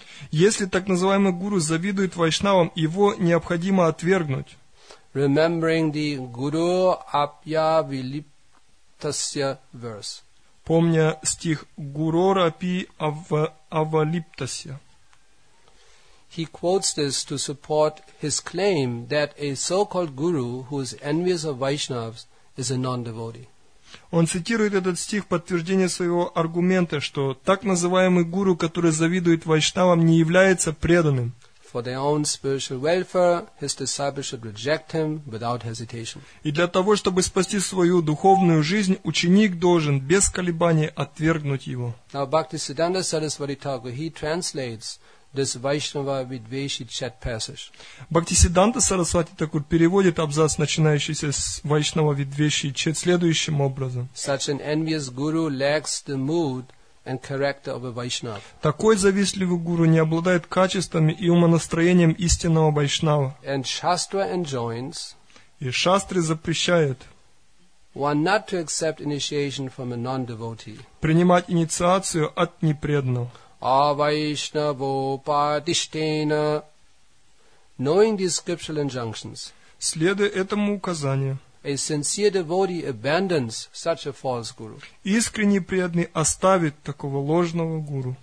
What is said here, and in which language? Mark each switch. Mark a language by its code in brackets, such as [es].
[ru] Если так называемый гуру завидует Вайшнавам, его необходимо отвергнуть. [en] Remembering the Guru Apya Vilipasya verse. [ru] Помня стих Гурорапи Авалиптасе. [en] He quotes this to support his claim that a so-called guru who is envious of Vaishnavas is a non-devotee. [ru] Он цитирует этот стих в подтверждение своего аргумента, что так называемый гуру, который завидует вайшнавам, не является преданным. [en] For their own spiritual welfare, his disciples should reject him without hesitation. [ru] И для того, чтобы спасти свою духовную жизнь, ученик должен без колебаний отвергнуть его. [en] Now, Bhaktisiddhanta Saraswati Thakur, he translates this Vaishnava Vidveshi Chet passage. [ru] Bhaktisiddhanta Saraswati Thakur переводит абзац, начинающийся с Vaishnava Vidveshi Chet, следующим образом. [en] Such an envious guru lacks the mood and character of a Vaishnava. [ru] Такой завистливый гуру не обладает качествами и умонастроением истинного вайшнава. [en] And Shastra enjoins. [ru] И шастры запрещают. [en] One not to accept initiation from a non-devotee. [ru] Принимать инициацию от непреданного. [sa] А вайшнаво падиштена. [en] Knowing these scriptural injunctions. [ru] Следуя этому указанию. [en] A sincere devotee abandons such a false guru. [ru] Искренний преданный оставит такого ложного гуру.